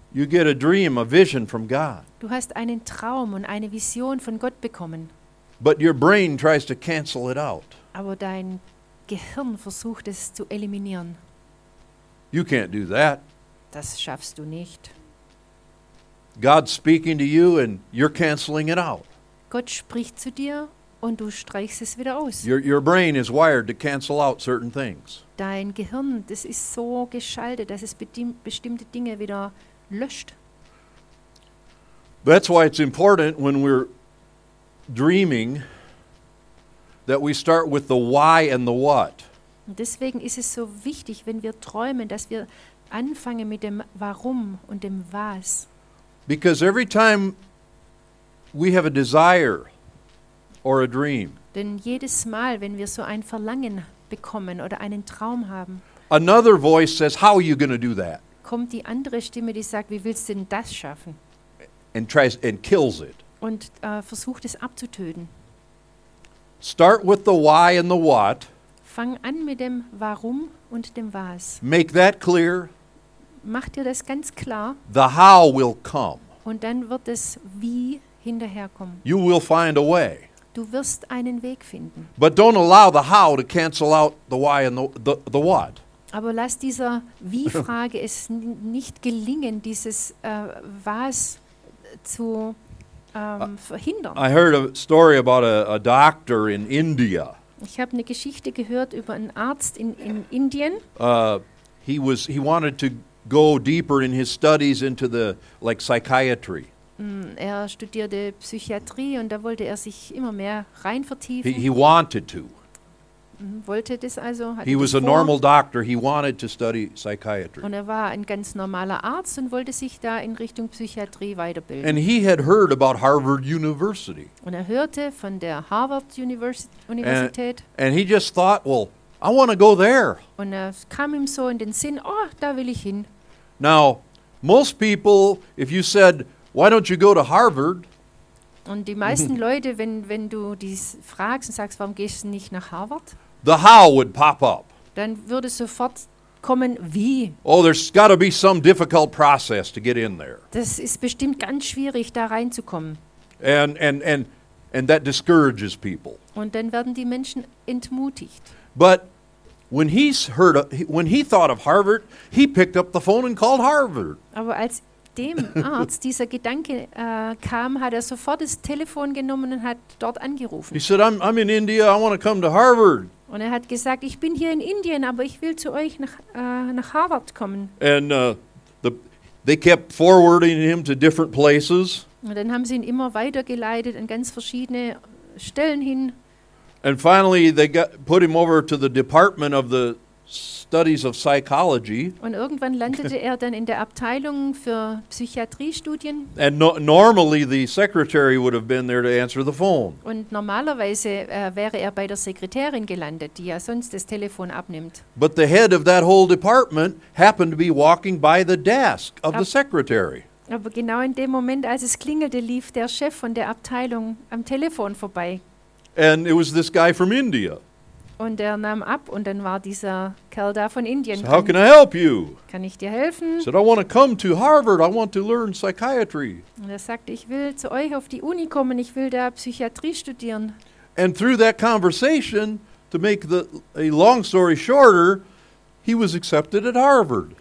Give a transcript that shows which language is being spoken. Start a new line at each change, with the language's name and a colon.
English: You get a dream, a vision from God.
German: Du hast einen Traum und eine Vision von Gott bekommen.
English: But your brain tries to cancel it out.
German: Aber dein Gehirn versucht es zu eliminieren.
English: You can't do that.
German: Das schaffst du nicht.
English: God's speaking to you and you're canceling it out.
German: Gott spricht zu dir und du streichst es wieder aus.
English: Your brain is wired to cancel out certain things.
German: Dein Gehirn, das ist so geschaltet, dass es bestimmte Dinge wieder löscht.
English: That's why it's important when we're dreaming that we start with the why and the what.
German: Deswegen ist es so wichtig, wenn wir träumen, dass wir anfangen mit dem Warum und dem Was.
English: Because every time we have a desire or a dream.
German: Denn jedes Mal, wenn wir so ein Verlangen bekommen oder einen Traum haben.
English: Another voice says, how are you going to do that?
German: Kommt die andere Stimme, die sagt, wie willst du denn das schaffen?
English: And tries and kills it.
German: Und versucht es abzutöten.
English: Start with the why and the what.
German: Fang an mit dem Warum und dem Was.
English: Make that clear.
German: Mach dir das ganz klar.
English: The how will come.
German: Und dann wird es wie hinterherkommen.
English: You will find a way.
German: Du wirst einen Weg finden.
English: But don't allow the how to cancel out the why and the what.
German: Aber lass dieser Wie-Frage es nicht gelingen, dieses Was zu verhindern.
English: I heard a story about a doctor in India.
German: Ich habe eine Geschichte gehört über einen Arzt in Indien.
English: He wanted to go deeper in his studies into the like psychiatry.
German: Er studierte Psychiatrie und da wollte er sich immer mehr rein vertiefen.
English: He wanted to.
German: Wollte das also, hatte
English: he was
German: vor.
English: A normal doctor. He wanted to study psychiatry.
German: Und er war ein ganz normaler Arzt und wollte sich da in Richtung Psychiatrie weiterbilden.
English: And he had heard about Harvard University.
German: Und er hörte von der Harvard Universität.
English: And he just thought, well, I want to go there.
German: Und er kam ihm so in den Sinn, oh, da will ich hin.
English: Now, most people, if you said, why don't you go to Harvard?
German: Und die meisten Leute, wenn du dies fragst und sagst, warum gehst du nicht nach Harvard?
English: The how would pop up.
German: Dann würde sofort kommen, wie.
English: Oh, there's got to be some difficult process to get in there.
German: Das ist bestimmt ganz schwierig, da reinzukommen.
English: And that discourages people.
German: Und dann werden die Menschen entmutigt.
English: But when he thought of Harvard, he picked up the phone and called Harvard.
German: Aber als dem Arzt dieser Gedanke kam, hat er sofort das Telefon genommen und hat dort angerufen.
English: He said, I'm in India, I want to come to Harvard.
German: Und er hat gesagt, ich bin hier in Indien, aber ich will zu euch nach Harvard kommen.
English: And they kept forwarding him to different places.
German: Und dann haben sie ihn immer weitergeleitet an ganz verschiedene Stellen hin.
English: And finally they put him over to the Department of the Studies of Psychology.
German: Und irgendwann landete er dann in der Abteilung für Psychiatriestudien.
English: And normally the secretary would have been there to answer the phone.
German: Und normalerweise wäre er bei der Sekretärin gelandet, die ja sonst das Telefon abnimmt.
English: But the head of that whole department happened to be walking by the desk of the secretary.
German: Aber genau in dem Moment, als es klingelte, lief der Chef von der Abteilung am Telefon vorbei.
English: And it was this guy from India.
German: Und er nahm ab und dann war dieser Kerl da von Indien.
English: So how can I help you?
German: Kann ich dir helfen?
English: Said, I want to come to Harvard. I want to learn psychiatry.
German: Und er sagte, ich will zu euch auf die Uni kommen. Ich will da Psychiatrie studieren.
English: And through that conversation, to make a long story shorter, he was accepted at Harvard.